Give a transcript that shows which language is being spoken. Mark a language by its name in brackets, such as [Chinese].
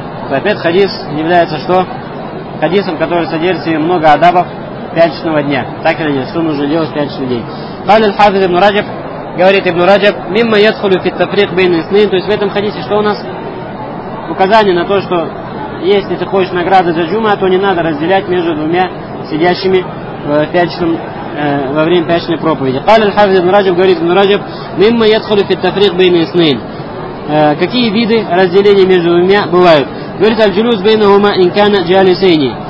[Russian] Опять хадис является что? Хадисом, который содержит в себе много адабов пятничного дня. Так или нет, что нужно делать в пятничный день? [Arabic] قال الحافظ ابن رجب, [Russian] говорит [Arabic] ابن رجب, مما يدخل في التفريق بين الاثنين, [Russian] то есть в этом хадисе что у нас? Указание на то, что если ты хочешь награды за джума, то не надо разделять между двумя сидящими в пятничном во время пятничной проповеди. [Arabic] Каль аль-Хафиз ибн Раджаб [Russian] говорит, ибн Раджаб, [Arabic] мимма ядхулю фит тафрих бейна иснейн. [Russian] Какие виды разделения между двумя бывают? Говорит, [Arabic] аль-джулюс бейна хума инкана джалисейни.